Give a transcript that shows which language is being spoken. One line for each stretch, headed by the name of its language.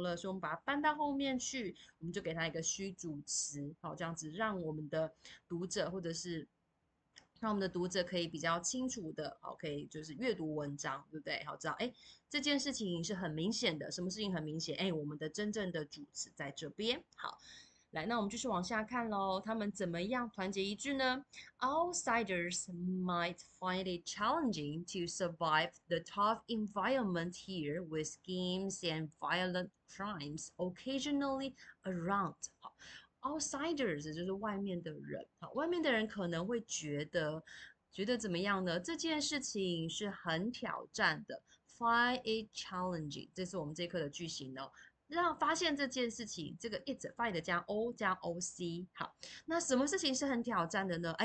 Chinese: 所以我们把它搬到后面去，我们就给它一个虚主词，好，这样子让我们的读者或者是让我们的读者可以比较清楚的，好，可以就是阅读文章，对不对？好，知道，哎，这件事情是很明显的，什么事情很明显？哎，我们的真正的主词在这边，好。来，那我们继续往下看喽。他们怎么样团结一致呢？
English: Outsiders might find it challenging to survive the tough environment here with schemes and violent crimes occasionally around。
Chinese: 好，Outsiders 就是外面的人。好，外面的人可能会觉得怎么样呢？这件事情是很挑战的。Find it challenging，这是我们这课的句型哦。让发现这件事情，这个 it find 加 o 加 o c，好，那什么事情是很挑战的呢？